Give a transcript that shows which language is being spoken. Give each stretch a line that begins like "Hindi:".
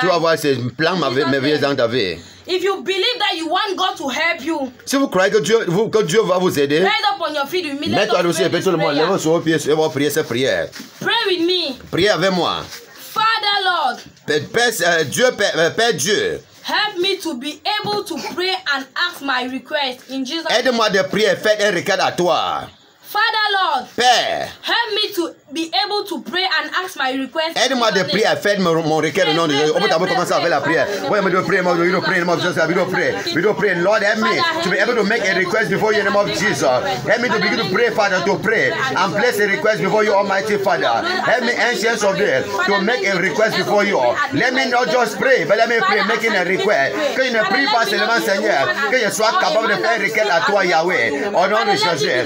French: Tu vas voir ses plans merveilleux dans ta vie.
English: If you believe that you want God to help you.
French: Si vous croyez que Dieu va vous aider.
English: Rise up on your feet immediately.
French: Mets-toi aussi tout le monde. Lève sur vos pieds et va prier cette prière.
English: Pray with me.
French: Priez avec moi.
English: Father Lord.
French: Père Dieu.
English: Help me to be able to pray and ask my request in Jesus' name.
French: Aide-moi de prier et faire un requête à toi.
English: Father Lord.
French: Père.
English: Help me to be able to pray and ask my request.
French: Aide-moi de prier et faire mon requête au nom de Dieu. On peut d'abord commencer avec la prière. Oui, mais je dois prier.
English: Lord, help me to be able to make a request before you, in the name of Jesus. Help me to begin to pray, Father, to pray and place a request before you, Almighty Father. Help me, ancients of this, to make a request before you. Let me not just pray, but let me pray, making a request.
French: Que je ne prie pas seulement, Seigneur, que je sois capable de faire une requête à toi, Yahweh, au nom de Jésus.